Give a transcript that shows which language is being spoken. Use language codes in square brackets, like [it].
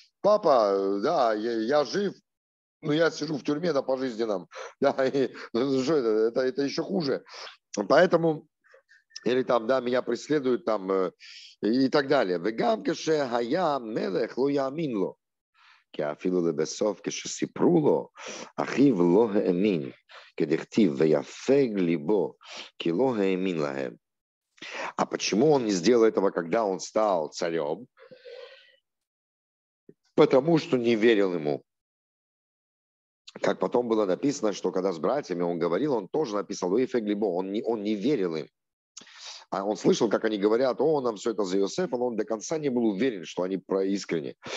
[ru] Папа, да, я жив, но я сижу в тюрьме, да, пожизненном. Да, это еще хуже. Поэтому, или там, да, меня преследуют там, и так далее. [he] «Вегам кеше хая мелех ло яамин ло». כאפילו לבסוף כשסיפרו לו אחיו לא האמין כדכתיב ויפג ליבו כי לא האמין להם. [ru] А почему он не сделал этого, когда он стал царем? Потому что не верил ему. Как потом было написано, что когда с братьями он говорил, он тоже написал [he] ויפג ליבו, [ru] он не верил им. А он слышал, как они говорят, о, нам все это за Йосефа, но он до конца не был уверен, что они про искренне.